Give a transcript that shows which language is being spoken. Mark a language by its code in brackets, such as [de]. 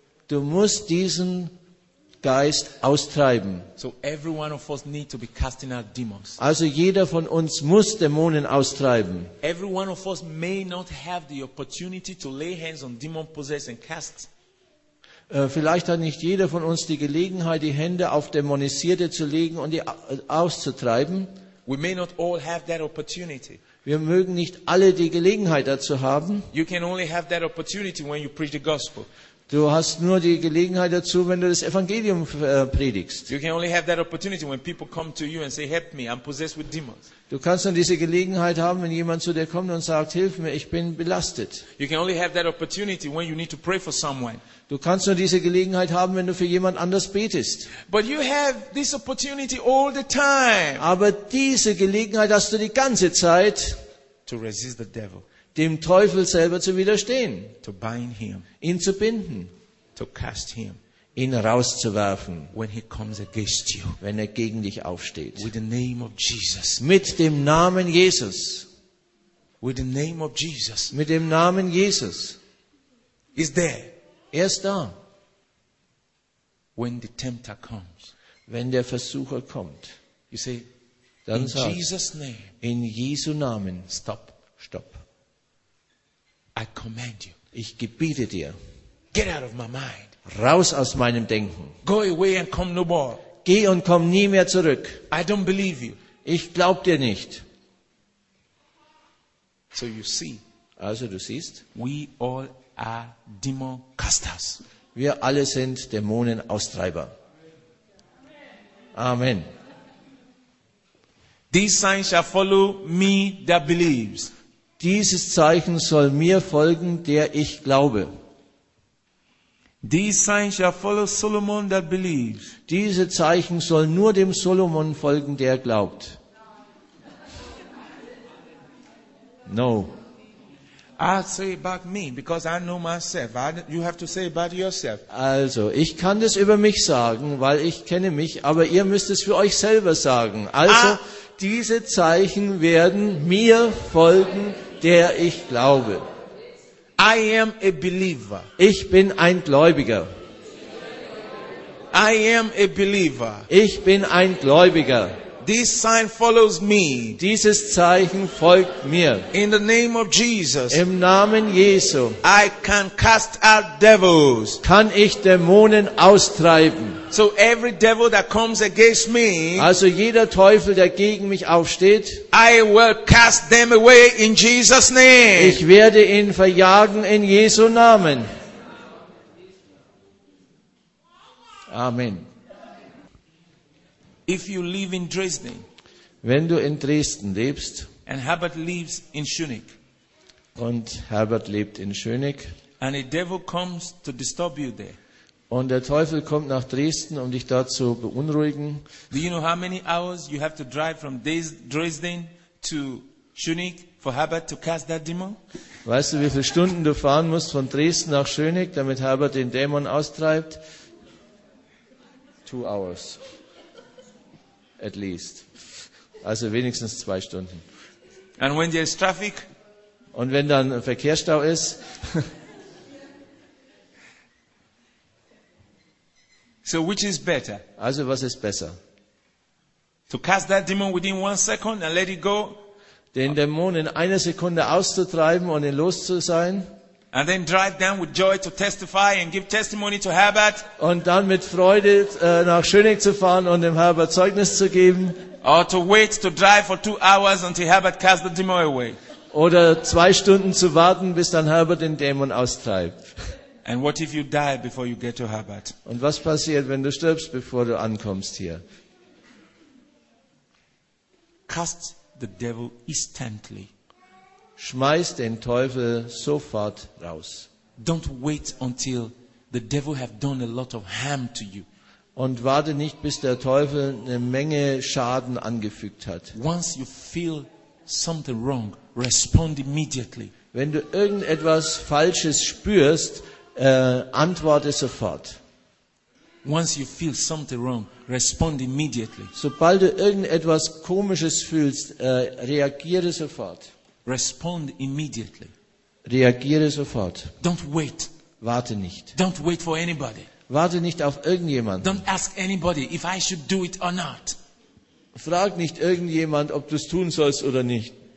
[de] Du musst diesen Geist austreiben. [en] So every one of us need to be casting out demons. [de] Also jeder von uns muss Dämonen austreiben. [en] Every one of us may not have the opportunity to lay hands on demon possessed and cast. [de] Vielleicht hat nicht jeder von uns die Gelegenheit, die Hände auf Dämonisierte zu legen und die auszutreiben. [en] We may not all have that opportunity. [de] Wir mögen nicht alle die Gelegenheit dazu haben. [en] You can only have that opportunity when you preach the gospel. [de] Du hast nur die Gelegenheit dazu, wenn du das Evangelium predigst. [en] You can only have that opportunity when people come to you and say, "Help me, I'm possessed with demons." [de] Du kannst nur diese Gelegenheit haben, wenn jemand zu dir kommt und sagt, "Hilf mir, ich bin belastet." [en] You can only have that opportunity when you need to pray for someone. [de] Du kannst nur diese Gelegenheit haben, wenn du für jemand anders betest. [en] But you have this opportunity all the time. [de] Aber diese Gelegenheit hast du die ganze Zeit. [en] To resist the devil. [de] Dem Teufel selber zu widerstehen, [en] to bind him, [de] ihn zu binden, [en] to cast him, [de] ihn rauszuwerfen, [en] when he comes against you, [de] wenn er gegen dich aufsteht, [en] with the name of Jesus, [de] mit dem Namen Jesus, [en] with the name of Jesus, [de] mit dem Namen Jesus, [en] is there, [de] er ist da. [en] when the tempter comes. [de] Wenn der Versucher kommt. [en] You see, [de] dann [en] in [de] sagt, [en] Jesus name, [de] in Jesu Namen, [en] stop, [de] stop. [en] I command you. [de] Ich gebiete dir. [en] Get out of my mind. [de] Raus aus meinem Denken. [en] Go away and come no more. [de] Geh und komm nie mehr zurück. [en] I don't believe you. [de] Ich glaub dir nicht. [en] So you see. [de] Also du siehst, [en] we all are demon casters. [de] Wir alle sind Dämonenaustreiber. Amen. [en] These signs shall follow me that believes. [de] Dieses Zeichen soll mir folgen, der ich glaube. [en] These signs shall follow Solomon that believes. [de] Diese Zeichen soll nur dem Solomon folgen, der glaubt. [en] No. I say about me because I know myself. You have to say about yourself. [de] Also, ich kann das über mich sagen, weil ich kenne mich, aber ihr müsst es für euch selber sagen. Also, diese Zeichen werden mir folgen, der ich glaube. [en] I am a believer. [de] Ich bin ein Gläubiger. [en] I am a believer. [de] Ich bin ein Gläubiger. [en] This sign follows me. [de] Dieses Zeichen folgt mir. [en] In the name of Jesus. [de] Im Namen Jesu. [en] I can cast out devils. [de] Kann ich Dämonen austreiben. [en] So every devil that comes against me. [de] Also jeder Teufel, der gegen mich aufsteht. [en] I will cast them away in Jesus name. [de] Ich werde ihn verjagen in Jesu Namen. Amen. [en] If you live in Dresden, [de] wenn du in Dresden lebst, [en] and Herbert lives in Schönig, [de] und Herbert lebt in Schönig, [en] and a devil comes to disturb you there, [de] und der Teufel kommt nach Dresden, um dich dort zu beunruhigen. [en] Do you know how many hours you have to drive from Dresden to Schönig for Herbert to cast that demon? [de] Weißt du, wie viele Stunden du fahren musst von Dresden nach Schönig, damit Herbert den Dämon austreibt? [en] 2 hours. At least. [de] Also wenigstens 2 Stunden. [en] And when there is traffic, [de] und wenn dann ein Verkehrsstau ist, [en] so which is better? [de] Also was ist besser? [en] To cast that demon within 1 second and let it go? [de] Den Dämon in einer Sekunde auszutreiben und ihn los zu sein? [en] And then drive down with joy to testify and give testimony to Herbert. [de] Und dann mit Freude nach Schönig zu fahren und dem Herbert Zeugnis zu geben. [en] Or to wait to drive for 2 hours until Herbert casts the demon away. [de] Oder 2 Stunden zu warten, bis dann Herbert den Dämon austreibt. [en] And what if you die before you get to Herbert? [de] Und was passiert, wenn du stirbst, bevor du ankommst hier? [en] Cast the devil instantly. [de] Schmeiß den Teufel sofort raus. [en] Don't wait until the devil have done a lot of harm to you. [de] Und warte nicht, bis der Teufel eine Menge Schaden angefügt hat. [en] Once you feel something wrong, respond immediately. [de] Wenn du irgendetwas Falsches spürst, antworte sofort. [en] Once you feel something wrong, respond immediately. [de] Sobald du irgendetwas Komisches fühlst, reagiere sofort. [en] Respond immediately. [de] Reagiere sofort. [en] Don't wait. [de] Warte nicht. [en] Don't wait for anybody. [de] Warte nicht auf irgendjemanden. [en] Don't ask anybody if I should do it or not. [de] Frag nicht irgendjemand, ob du es tun sollst oder nicht.